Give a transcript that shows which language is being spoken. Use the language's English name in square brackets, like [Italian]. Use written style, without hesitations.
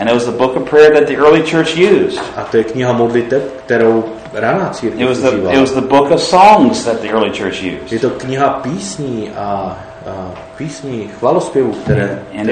[English] And it was the book of prayer that the early church used. [Czech] A to je kniha modlitev, kterou raná církev používala. [English] It was the book of songs that the early church used. [Czech] Je to kniha písní a písní chvalospěvů, které